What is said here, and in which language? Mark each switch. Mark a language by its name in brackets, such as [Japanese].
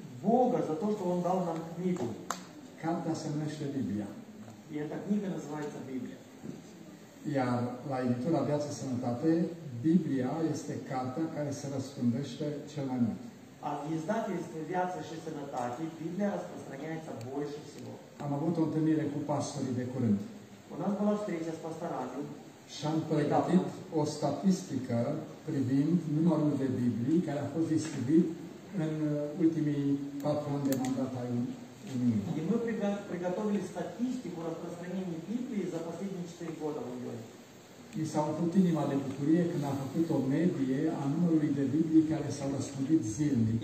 [Russian] Бога за то, что он дал нам книгу. Карта семейства Библия. И эта книга называется Библия. [Romanian] Iar la editura Viața Sănătate, Biblia este cartea care se răspândește cel mai mult. [Russian] А в издате есть Viața și Sănătate, Biblia распространяется больше всего. [Romanian] Am avut o întâlnire cu pastorii de curând. [Russian] У нас была встреча с пасторами. [Romanian] Și am pregătit o statistică privind numărul de Biblii care a fost distribuit în ultimii 4 ani de mandat ai Uniunii. [Russian] Мы приготовили статистику распространения Библии за последние 4 года в Uniunii. [Romanian] Mi s-a umplut inima de bucurie când am făcut o medie a numărului de Biblii care s-au răspândit zilnic.